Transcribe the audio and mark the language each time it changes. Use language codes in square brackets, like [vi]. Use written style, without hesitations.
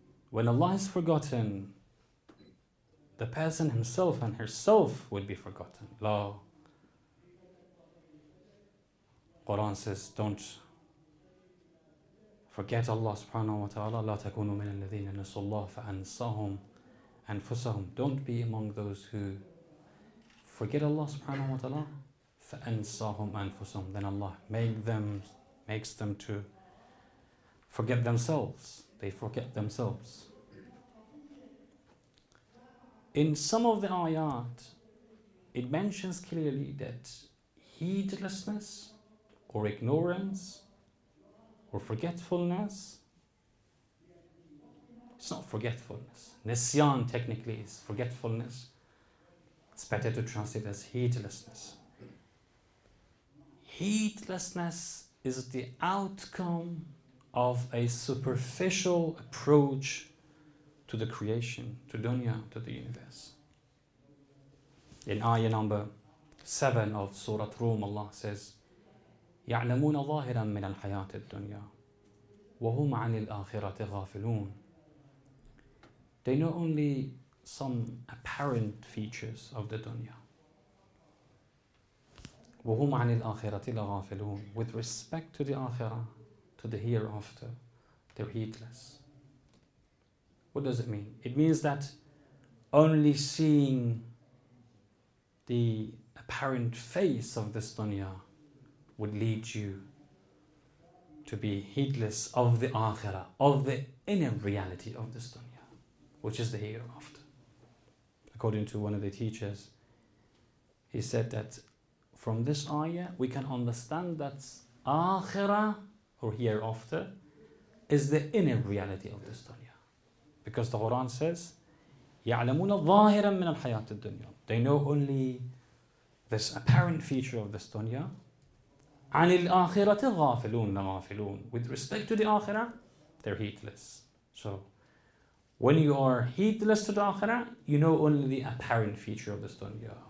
[en] When Allah is forgotten, the person himself and herself would be forgotten. Law. Quran says, don't forget Allah subhanahu wa ta'ala. [ar] لا تكونوا من الذين نسوا الله فأنساهم أنفسهم. [en] Don't be among those who forget Allah subhanahu wa ta'ala. [ar] فأنساهم أنفسهم. [en] Then Allah makes them to forget themselves. They forget themselves. In some of the ayat, it mentions clearly that heedlessness or ignorance, or forgetfulness. It's not forgetfulness. Nisyan technically is forgetfulness. It's better to translate as heedlessness. Heedlessness is the outcome of a superficial approach to the creation, to dunya, to the universe. In ayah number 7 of Surah Rum, Allah says, [ar] يَعْلَمُونَ ظَاهِرًا مِنَ الْحَيَاةِ الدُّنْيَا وَهُمْ عَنِ الْآخِرَةِ غَافِلُونَ. [en] They know only some apparent features of the dunya. [ar] وَهُمْ عَنِ الْآخِرَةِ لَغَافِلُونَ. [en] With respect to the akhirah, to the hereafter, they're heedless. What does it mean? It means that only seeing the apparent face of this dunya would lead you to be heedless of the akhirah, of the inner reality of this dunya, which is the hereafter. According to one of the teachers, he said that from this ayah, we can understand that akhirah, or hereafter, is the inner reality of this dunya. Because the Quran says, [ar] يَعْلَمُونَ ظَاهِرًا مِنَ الْحَيَاةِ الدُّنْيَا. [en] They know only this apparent feature of this dunya. [ar] عَنِ الْآخِرَةِ غَافِلُونَ غَافِلُونَ. [en] With respect to the akhirah, they're heedless. So, when you are heedless to the akhirah, you know only the apparent feature of this dunya.